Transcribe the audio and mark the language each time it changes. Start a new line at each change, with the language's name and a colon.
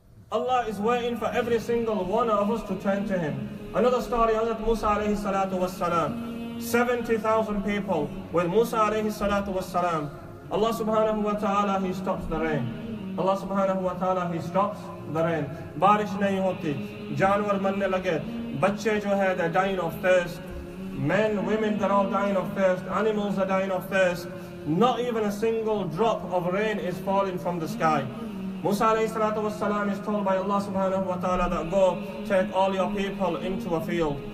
English: Allah is waiting for every single one of us to turn to Him. Another story, Hazrat Musa alayhi salatu was salam. 70,000 people with Musa alayhi salatu was salam. Allah subhanahu wa ta'ala, He stops the rain. Allah subhanahu wa ta'ala, He stops the rain.
Urdu: بارش نہیں ہوتی۔ جانور مرنے لگے۔ Bacche jo hai,
English: they're dying of thirst. Men, women, they're all dying of thirst. Animals are dying of thirst. Not even a single drop of rain is falling from the sky. Musa alayhi salatu was salam is told by Allah subhanahu wa ta'ala that go, take all your people into a field.